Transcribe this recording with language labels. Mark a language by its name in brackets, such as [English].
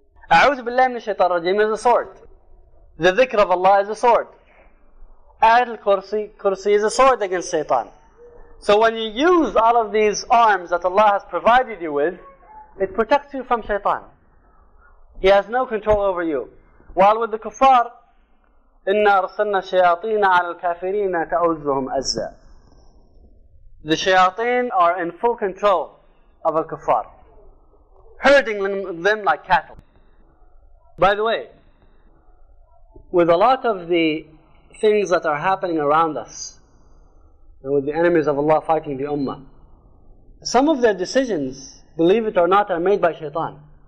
[Arabic] A'udhu billahi min shaitan rajim [English] is a sword. The dhikr of Allah is a sword. Ayat al-Kursi is a sword against shaitan. So when you use all of these arms that Allah has provided you with, it protects you from shaitan. He has no control over you. While with the kuffar, [Arabic] إِنَّا أَرْسَلْنَا الشَّيَاطِينَ عَلَى الْكَافِرِينَ تَأُزُّهُمْ أَزَّا. [English] The shayateen are in full control of al-kuffar, herding them like cattle. By the way, with a lot of the things that are happening around us, and with the enemies of Allah fighting the Ummah, some of their decisions, believe it or not, are made by shaitan.